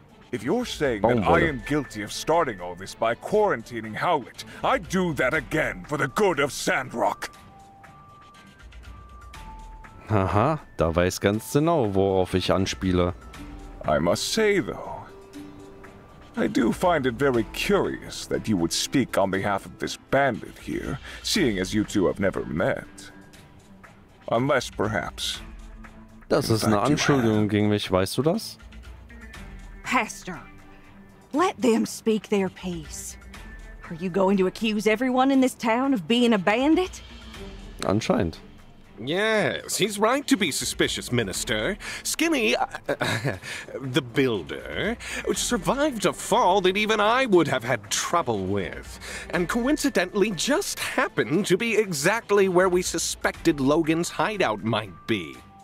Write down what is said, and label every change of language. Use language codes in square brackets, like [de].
[en] If you're saying that I am guilty of starting all this by quarantining Howlett, I'd do that again for the good of Sandrock. [de] Aha, da weiß ganz genau, worauf ich anspiele. [en] I must say, though, I do find it very curious that you would speak on behalf of this bandit here, seeing as you two have never met. Unless, perhaps... [de] Das ist eine Anschuldigung gegen mich, weißt du das? [en] Pastor, let them speak their piece. Are you going to accuse everyone in this town of being a bandit? [de] Anscheinend. [en] Yes, he's right to be suspicious, Minister. Skinny, the Builder, survived a fall that even I would have had trouble with, and coincidentally just happened to be exactly where we suspected Logan's hideout might be.